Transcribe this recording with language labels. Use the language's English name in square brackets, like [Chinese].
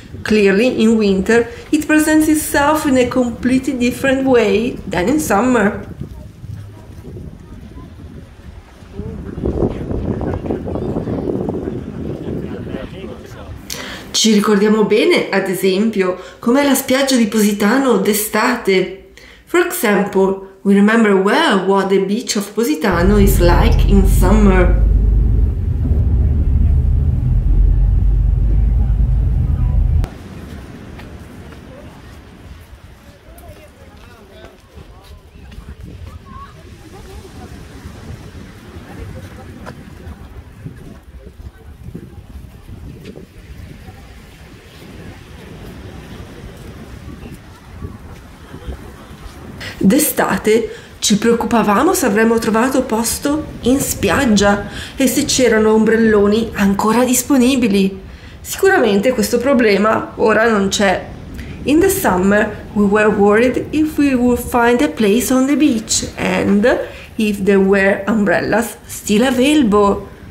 [English] Clearly in winter it presents itself in a completely different way than in summer. [Italian] Ci ricordiamo bene, ad esempio, com'è la spiaggia di Positano d'estate. [English] For example, we remember well what the beach of Positano is like in summer. [Italian] D'estate ci preoccupavamo se avremmo trovato posto in spiaggia e se c'erano ombrelloni ancora disponibili. Sicuramente questo problema ora non c'è. [English] In the summer we were worried if we would find a place on the beach and if there were umbrellas still available.